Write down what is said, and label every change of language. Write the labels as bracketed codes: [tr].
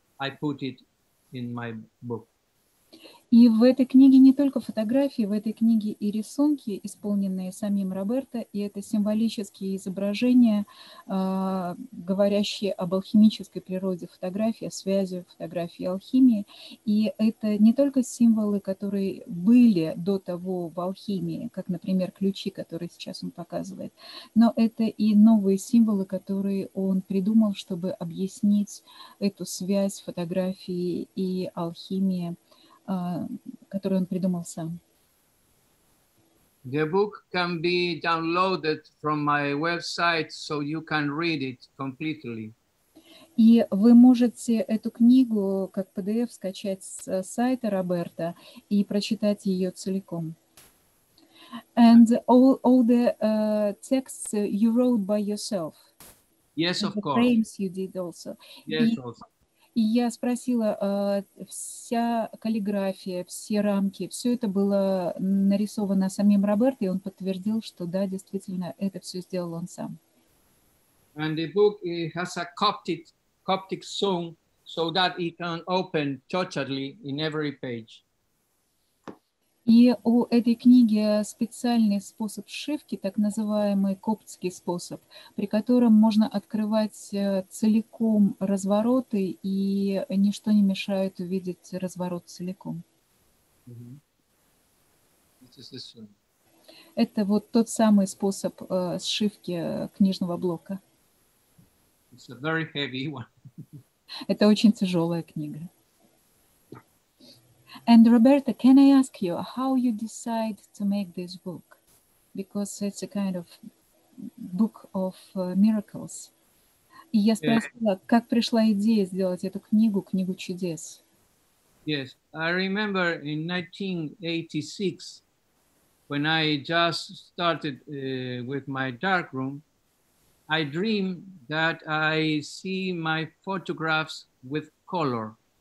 [en] I put it in my book. [ru] И в этой книге не только фотографии, в этой книге и рисунки, исполненные самим Роберто, и это символические изображения, говорящие об алхимической природе фотографии, о связи фотографии и алхимии. И это не только символы, которые были до того в алхимии, как, например, ключи, которые сейчас он показывает, но это и новые символы, которые он придумал, чтобы объяснить эту связь фотографии и алхимии. Который он придумал сам. [en] The book can be downloaded from my website, so you can read it completely. [ru] И вы можете эту книгу как PDF скачать с сайта Роберто и прочитать ее целиком. [en] And all the texts you wrote by yourself. Yes, of course. The frames you did also. Yes, also. [ru] И я спросила, вся каллиграфия, все рамки, все это было нарисовано самим Роберто, и он подтвердил, что да, действительно, это все сделал он сам. [en] And the book has a Coptic song, so that it can open totally in every page. [ru] И у этой книги специальный способ шивки, так называемый коптский способ, при котором можно открывать целиком развороты, и ничто не мешает увидеть разворот целиком. Mm-hmm. Это вот тот самый способ сшивки книжного блока. [en] It's a very heavy one. [ru] Это очень тяжелая книга. [en] And Roberta, can I ask you how you decide to make this book? because it's a kind of book of miracles. [ru] И я спросила, как пришла идея сделать эту книгу, книгу чудес? [en] Yes, I remember in 1986, when I just started with my darkroom, I dreamed that I see my photographs with color.